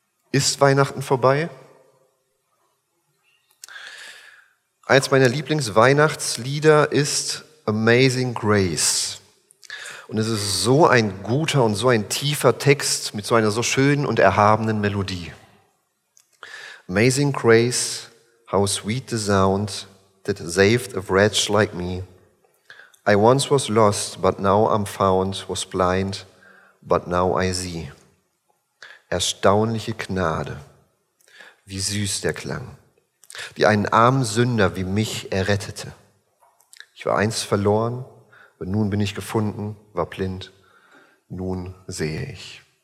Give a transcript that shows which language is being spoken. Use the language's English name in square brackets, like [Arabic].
[German] Ist Weihnachten vorbei? Eins meiner Lieblingsweihnachtslieder ist Amazing Grace. Und es ist so ein guter und so ein tiefer Text mit so einer so schönen und erhabenen Melodie. [English] Amazing Grace, how sweet the sound that saved a wretch like me. I once was lost, but now I'm found, was blind, but now I see. [German] Erstaunliche Gnade, wie süß der Klang, wie einen armen Sünder wie mich errettete. Ich war einst verloren, und nun bin ich gefunden, war blind, nun sehe ich.